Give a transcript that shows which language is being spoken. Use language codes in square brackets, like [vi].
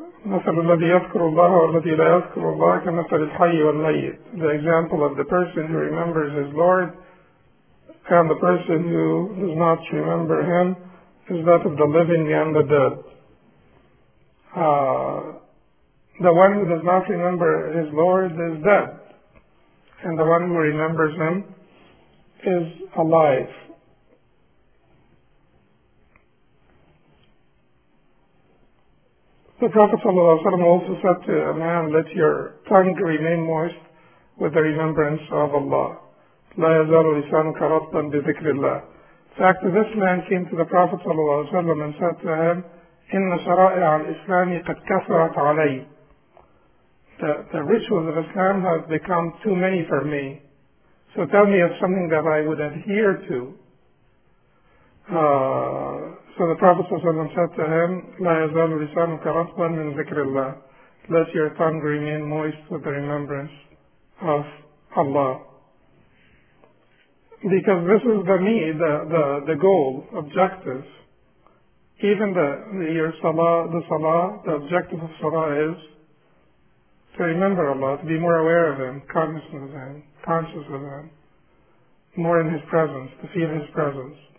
[ar] مثل الذي يذكر الله والذي لا يذكر الله كمثل الحي والميت. [en] The example of the person who remembers his Lord and the person who does not remember him is that of the living and the dead. The one who does not remember his Lord is dead, and the one who remembers him is alive. The Prophet ﷺ also said to a man, let your tongue remain moist with the remembrance of Allah. [ar] لا يزال لسانك رطبا بذكر الله. [en] In fact, this man came to the Prophet ﷺ and said to him, [ar] إن شرائع الإسلام قد كثرت علي. [en] The rituals of Islam have become too many for me. So tell me of something that I would adhere to. So the Prophet ﷺ said to him, [ar] لا يزال لسانك رطبا من ذكر الله. [en] Let your tongue remain moist with the remembrance of Allah. Because this is the me, the goal, objective. Even your salah, the objective of salah is to remember Allah, to be more aware of Him, cognizant of Him, conscious of Him, more in His presence, to feel His presence.